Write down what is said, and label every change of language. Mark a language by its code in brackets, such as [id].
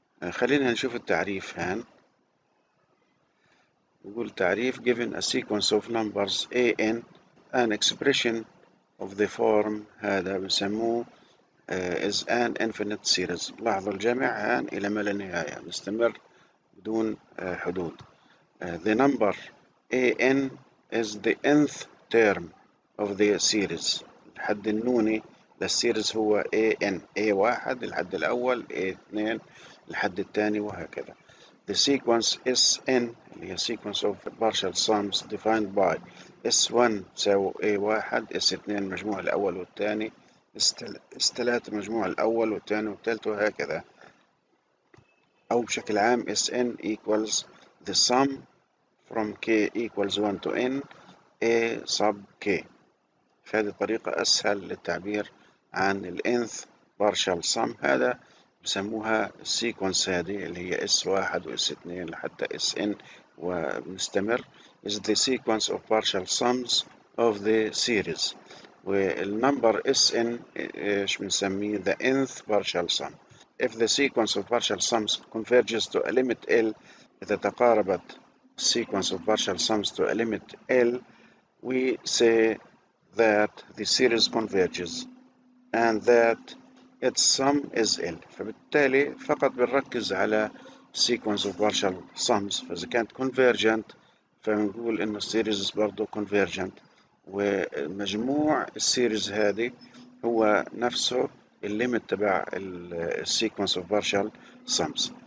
[ar] خلينا نشوف التعريف. هان يقول تعريف: [en] given a sequence of numbers an an expression of the form [ar] هذا بسموه [en] is an infinite series. [ar] لاحظوا الجمع an إلى ما لا نهاية، مستمر بدون حدود. [en] The number an is the nth term of the series. [ar] الحد النوني للسيريز هو an، A1 الحد الأول، A2 الحد الثاني وهكذا. [en] The sequence Sn [ar] اللي هي [en] sequence of partial sums defined by [ar] S1 تساوي A1، S2 مجموع الأول والثاني، S3 مجموع الأول والثاني والثالث وهكذا. أو بشكل عام [en] Sn equals the sum from k equals 1 to n A sub k. [ar] فهذه طريقة أسهل للتعبير عن الـ nth partial sum هذا، بسموها السيكونس هذه اللي هي S1 وS2 لحتى Sn، وبنستمر [en] is the sequence of partial sums of the series. [ar] والنمبر Sn ايش بنسميه؟ [en] the nth partial sum. If the sequence of partial sums converges to a limit L، [ar] إذا تقاربت [en] sequence of partial sums to a limit L we say that the series converges and that its sum is L. [ar] فبالتالي فقط بنركز على sequence of partial sums، فإذا كانت convergent فنقول انه السيريز برضه كونفيرجنت، ومجموع السيريز هذه هو نفسه الليمت تبع السيكونس اوف بارشال سامز.